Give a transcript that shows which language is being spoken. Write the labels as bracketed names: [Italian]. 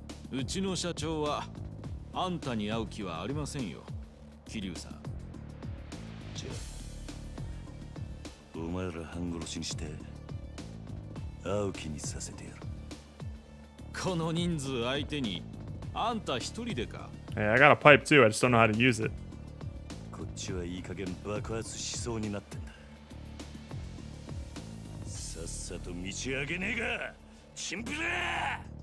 [Japanese] うちの社長はあんたに会う気はありませんよ、桐生さん。じゃあ、お前ら半殺しにして会う気にさせてやる。この人数相手にあんた一人でか。 [English] Hey, I got a pipe too. I just don't know how to use it. [Japanese] こっちはいい加減爆発しそうになってんだ。さっさと道上げねえか、チンピラ。